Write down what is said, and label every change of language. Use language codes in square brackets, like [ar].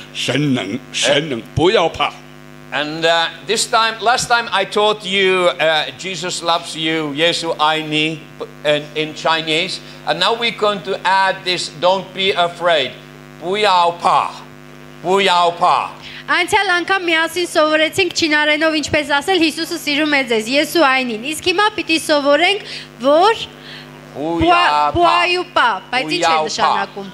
[zh] 学一句,我上一次教你们个耶稣爱你,这次要教你个不要怕,神能,神能,不要怕。 [en] And this time, last time I taught you, Jesus loves you, [zh] Yesu aini, [en] in Chinese. And now we're going to add this, don't be afraid. [zh] 不要怕, 不要怕. [hy] Անցյալ անգամ միասին սովորեցինք չինարենով ինչպես ասել, Հիսուսը սիրում է ձեզ, [zh] Yesu ainin. [hy] Իսկ հիմա պիտի սովորենք, որ [zh] 不要怕, [hy] բայց ինչ է նշանակում.